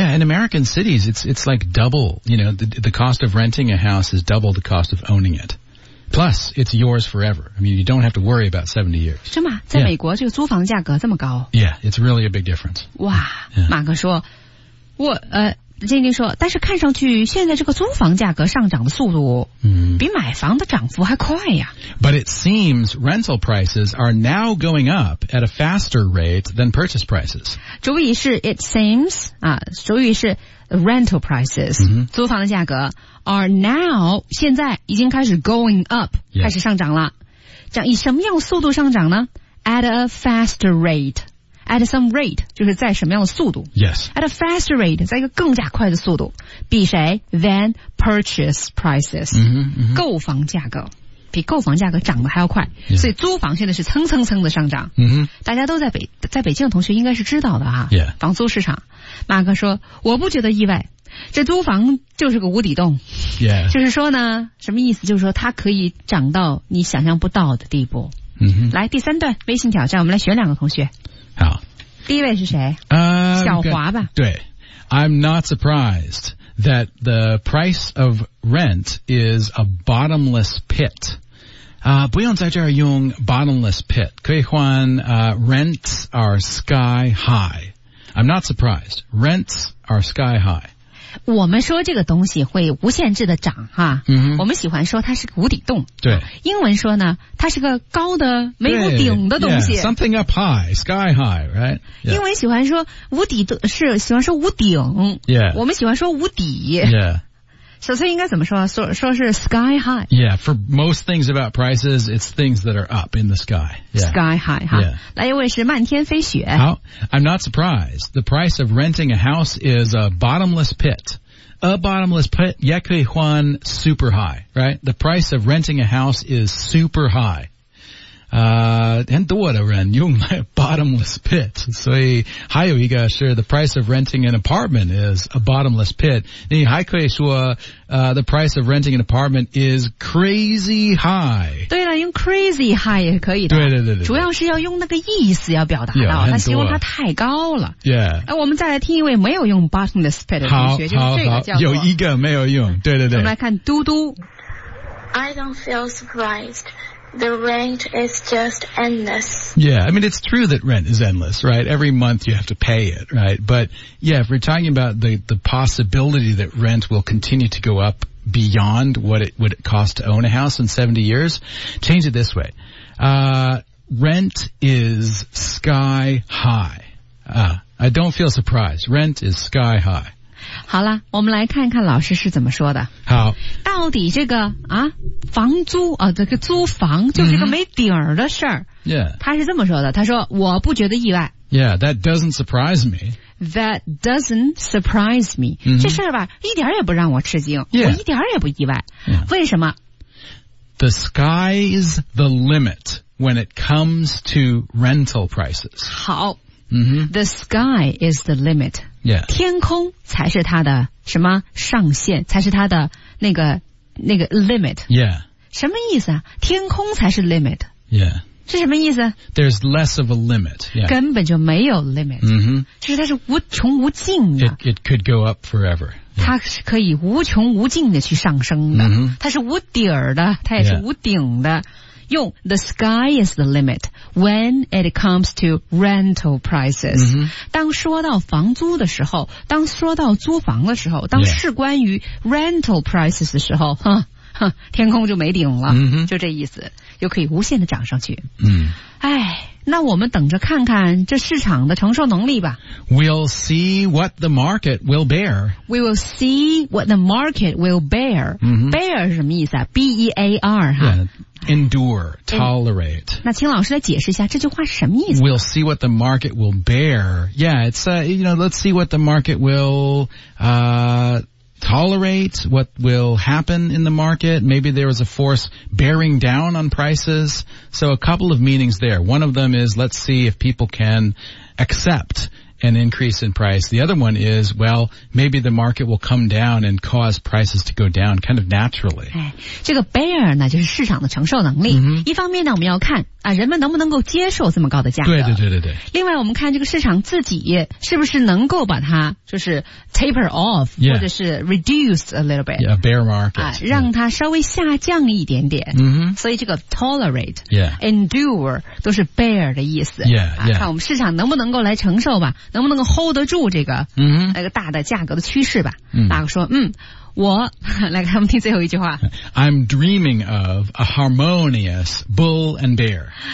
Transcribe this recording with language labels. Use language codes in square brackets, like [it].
[en] Yeah, in American cities, it's like double, you know, the cost of renting a house is double the cost of owning it. Plus, it's yours forever. I mean, you don't have to worry about 70 years. [zh] 是吗？在美国、 [en] yeah. [zh] 这个租房的价格这么高 [en] Yeah, it's really a big difference. 哇、 yeah. [zh] 马哥说我静静说但是看上去现在这个租房价格上涨的速度比买房的涨幅还快呀。 [en] But it seems rental prices are now going up at a faster rate than purchase prices. [zh] 主语是 [en] it seems, [zh] 啊主语是 [en] rental prices,、 mm-hmm. [zh] 租房的价格 [en] are now, [zh] 现在已经开始 [en] going up,、 yes. [zh] 开始上涨了。这样以什么样的速度上涨呢 ? [en] at a faster rate. At some rate, [zh] 就是在什么样的速度 [en] Yes. At a faster rate, [zh] 在一个更加快的速度比谁 [en] than purchase prices, mm-hmm, mm-hmm. [zh] 购房价格比购房价格涨得还要快、 [en] yeah. [zh] 所以租房现在是蹭蹭蹭的上涨、 mm-hmm. 大家都在北京的同学应该是知道的啊、 [en] yeah. [zh] 房租市场马克说我不觉得意外这租房就是个无底洞、 [en] yeah. [zh] 就是说呢什么意思就是说它可以涨到你想象不到的地步、 mm-hmm. 来第三段微信挑战我们来选两个同学好第一位是谁小华吧 [en] 对 I'm not surprised that the price of rent is a bottomless pit、 [zh] 不用在这儿用 [en] bottomless pit [zh] 可以换、 [en] rents are sky high I'm not surprised rents are sky high [zh] 我们说这个东西会无限制的涨哈、嗯、我们喜欢说它是个无底洞对英文说呢它是个高的没有顶的东西 [en] yeah, something up high sky high right、yeah. [zh] 英文喜欢说无底是喜欢说无顶、 [en] yeah. [zh] 我们喜欢说无底、 [en] yeah. [zh] 首先应该怎么说说是 sky high [en] yeah for most things about prices it's things that are up in the sky、yeah. sky high、huh? yeah. [zh] 来一位是漫天飞雪 [en] 好 I'm not surprised the price of renting a house is a bottomless pit a bottomless pit [zh] 也可以换 [en] super high right the price of renting a house is super high [zh] 很多的人用 [en] bottomless pit [zh] 所以还有一个是 [en] the price of renting an apartment is a bottomless pit [zh] 你还可以说、 [en] the price of renting an apartment is crazy high [zh] 对了用 [en] crazy high [zh] 也可以的对对 对, 对主要是要用那个意思要表达到他形容它太高了 [en] yeah、 [zh] 我们再来听一位没有用 bottomless pit 的同学好好好有一个没有用对对对我们来看嘟嘟 [en] I don't feel surprisedThe rent is just endless. Yeah, I mean, it's true that rent is endless, right? Every month you have to pay it, right? But yeah, if we're talking about the possibility that rent will continue to go up beyond what it would cost to own a house in 70 years. Change it this way. Rent is sky high. I don't feel surprised. Rent is sky high. [zh] 好了，我们来看看老师是怎么说的。好，到底这个啊，房租啊，这个租房就是个没底儿的事儿。 [en] Mm-hmm. Yeah. [zh] 他是这么说的，他说我不觉得意外。 [en] Yeah, that doesn't surprise me. That doesn't surprise me. Mm-hmm. [zh] 这事儿吧，一点也不让我吃惊， [en] yeah. [zh] 我一点也不意外。 [en] Yeah. [zh] 为什么？ [en] The sky's the limit when it comes to rental prices. [zh] 好、 mm-hmm. [en] The sky is the limit. Yeah. [zh] 天空才是它的什么上限，才是它的那个 limit. [en] Yeah. [zh] 什么意思啊？天空才是 limit. [en] Yeah. [zh] 是什么意思？ [en] There's less of a limit.、Yeah. [zh] 根本就没有 limit.、 Mm-hmm. 就是它是无穷无尽的。 [en] It could go up forever.、 Yeah. [zh] 它是可以无穷无尽的去上升的。 Mm-hmm. 它是无底儿的，它也是无顶的。 [en] Yeah. [zh] 用 [en] the sky is the limit when it comes to rental prices.、 Mm-hmm. [zh] 当说到房租的时候，当说到租房的时候，当是关于 [en] rental prices [zh] 的时候，天空就没顶了、 mm-hmm. 就这意思，又可以无限的涨上去。嗯，哎，那我们等着看看这市场的承受能力吧。 [en] We'll see what the market will bear. We will see what the market will bear.、 Mm-hmm. Bear 是什么意思啊？B-E-A-R、 yeah. Endure, tolerate. 那请老师来解释一下这句话是什么意思。 We'll see what the market will bear. Yeah, it's, you know, let's see what the market will tolerate, what will happen in the market. Maybe there is a force bearing down on prices. So a couple of meanings there. One of them is, let's see if people can accept an increase in price. The other one is, well, maybe the market will come down and cause prices to go down kind of naturally. [zh] 哎，这个 bear 呢就是市场的承受能力。 Mm-hmm. 一方面呢我们要看啊，人们能不能够接受这么高的价格。对对对对对。另外我们看这个市场自己是不是能够把它就是 [en] taper off、 yeah. [zh] 或者是 [en] reduce a little bit. Yeah, a bear market. [zh] 啊，让它稍微下降一点点。嗯、mm-hmm. 所以这个 tolerate, [en] yeah, [zh] endure 都是 bear 的意思。 [en] Yeah, yeah.、 [zh] 啊、看我们市场能不能够来承受吧，能不能够 hold 得住这个、 mm-hmm. 那个大的价格的趋势吧。 Mm-hmm. 大哥说嗯。我来看我们听最后一句话。 [en] I'm dreaming of a harmonious bull and bear.